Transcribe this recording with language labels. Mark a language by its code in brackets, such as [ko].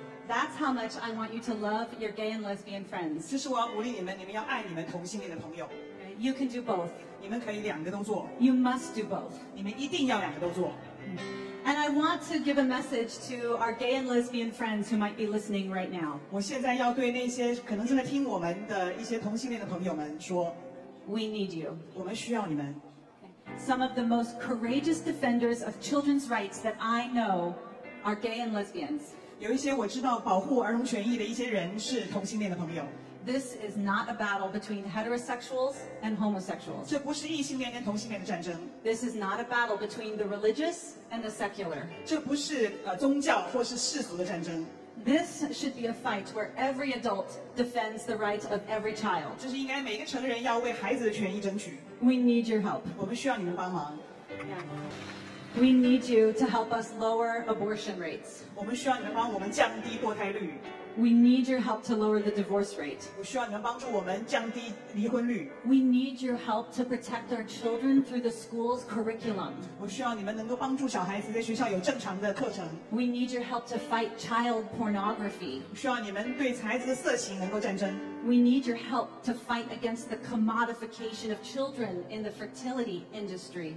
[en] That's how much I want you to love your gay and lesbian friends. [zh] 这是我要鼓励你们，你们要爱你们同性恋的朋友。 [en] You can do both. [zh] 你们可以两个都做。 [en] You must do both. [zh] 你们一定要两个都做。 [en] And I want to give a message to our gay and lesbian friends who might be listening right now. [zh] 我现在要对那些可能正在听我们的一些同性恋的朋友们说。 [en] We need you. [zh] 我们需要你们。 [en] Some of the most courageous defenders of children's rights that I know are gay and lesbians. [zh] 有一些我知道保护儿童权益的一些人是同性恋的朋友。 [en] This is not a battle between heterosexuals and homosexuals. [zh] 这不是异性恋跟同性恋的战争。 [en] This is not a battle between the religious and the secular. [zh] 这不是宗教或是世俗的战争。 [en] This should be a fight where every adult defends the right of every child. [zh] 这是应该每个成人要为孩子的权益争取。 [en] We need your help. [zh] 我们需要你们帮忙。 [en] We need you to help us lower abortion rates. [zh] 我们需要你们帮我们降低堕胎率。 [en] We need your help to lower the divorce rate. [zh] 我需要你们帮助我们降低离婚率。 [en] We need your help to protect our children through the school's curriculum. [zh] 我需要你们能够帮助小孩子在学校有正常的课程。 [en] We need your help to fight child pornography. [zh] 需要你们对孩子的色情能够战争。 [en] We need your help to fight against the commodification of children in the fertility industry.